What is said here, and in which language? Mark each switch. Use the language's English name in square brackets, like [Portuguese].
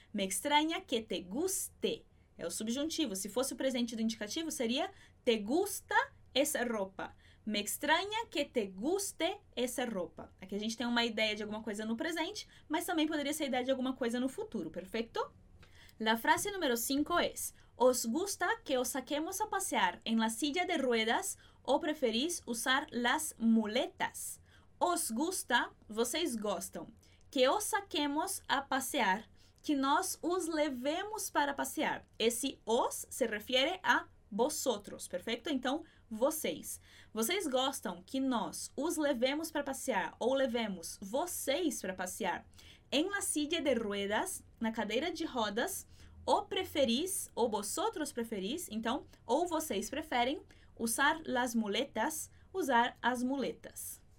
[Spanish] Me extraña que te guste. [Portuguese] É o subjuntivo. Se fosse o presente do indicativo, seria [Spanish] te gusta [Portuguese] essa roupa. [Spanish] Me extraña que te guste [Portuguese] essa roupa. Aqui a gente tem uma ideia de alguma coisa no presente, mas também poderia ser ideia de alguma coisa no futuro, perfeito? [Spanish] La frase número 5 es: ¿Os gusta que os saquemos a pasear en la silla de ruedas o preferís usar las muletas? ¿Os gusta, [Portuguese] vocês gostam, [Spanish] que os saquemos a pasear, [Portuguese] que nós os levemos para passear? Esse os se refere a vosotros, perfeito? Então, vocês. Vocês gostam que nós os levemos para passear ou levemos vocês para passear em [Spanish] la silla de ruedas, [Portuguese] na cadeira de rodas, ou preferís, ou [Spanish] vosotros preferís, [Portuguese] então, ou vocês preferem [Spanish] usar las muletas, [Portuguese] usar as muletas.